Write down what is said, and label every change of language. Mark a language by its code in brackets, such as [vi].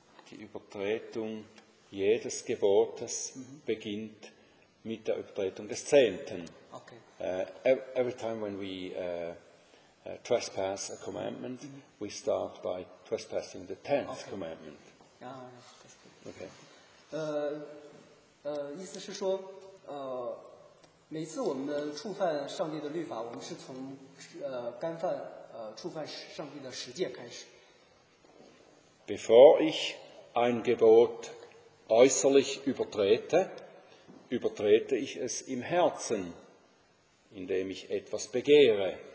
[de] Die Übertretung jedes Gebotes beginnt mit der Übertretung des Zehnten. [en] Okay. Every time when we trespass a commandment, we start by trespassing the tenth commandment. [zh] Okay. 意思是说，每次我们的触犯上帝的律法，我们是从干犯触犯上帝的十诫开始。 [de] Bevor ich ein Gebot äußerlich übertrete, übertrete ich es im Herzen, indem ich etwas begehre.